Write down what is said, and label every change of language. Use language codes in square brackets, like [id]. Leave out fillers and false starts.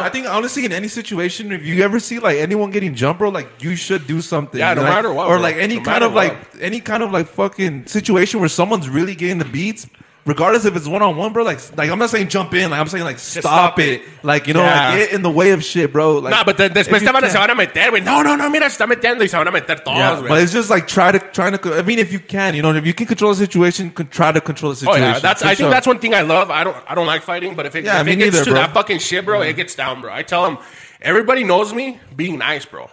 [en] I think, honestly, in any situation, if you ever see, like, anyone getting jumped, bro, like, you should do something. Yeah, no matter what. Or, like, any kind of fucking situation where someone's really getting the beats. Regardless if it's one-on-one, bro, like I'm not saying jump in. Like, I'm saying, like, stop it. Like, you know, like, get in the way of shit, bro. Like, nah, but [es] después te van a meter, güey. No, mira, se está metiendo y se van a meter todos, güey. [en] But it's just, like, if you can control the situation, try to control the situation. Oh, yeah, I think that's one thing I love. I don't like fighting, but if it gets to that fucking shit, bro, it gets down, bro. I tell them, everybody knows me being nice, bro.